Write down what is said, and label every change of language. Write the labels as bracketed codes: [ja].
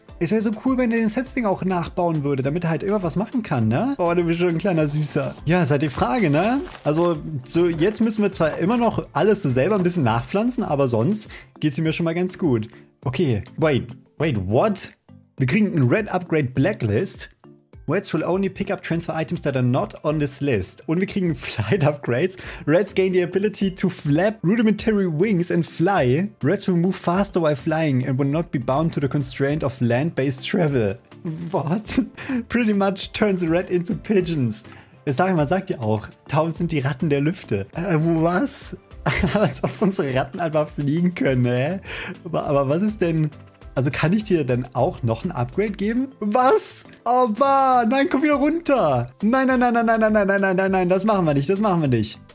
[de] Es wäre so cool, wenn er den Setzling auch nachbauen würde, damit er halt immer was machen kann, ne? Oh, du bist schon ein kleiner Süßer. Ja, ist halt die Frage, ne? Also, so jetzt müssen wir zwar immer noch alles selber ein bisschen nachpflanzen, aber sonst geht es mir schon mal ganz gut. [en] Okay, wait, what? [de] Wir kriegen ein Red Upgrade Blacklist. [en] Rats will only pick up transfer items that are not on this list. [de] Und wir kriegen Flight Upgrades. [en] Rats gain the ability to flap rudimentary wings and fly. Rats will move faster while flying and will not be bound to the constraint of land-based travel. What? Pretty much turns a rat into pigeons. [de] Jetzt sag ich mal, sagt ihr auch, taub sind die Ratten der Lüfte. Was? Als ob unsere Ratten einfach fliegen können, hä? Aber was ist denn... Also kann ich dir dann auch noch ein Upgrade geben? Was? Oh, nein, komm wieder runter. Nein, nein, nein, nein, nein, nein, nein, nein, nein, nein, nein, das machen wir nicht, das machen wir nicht.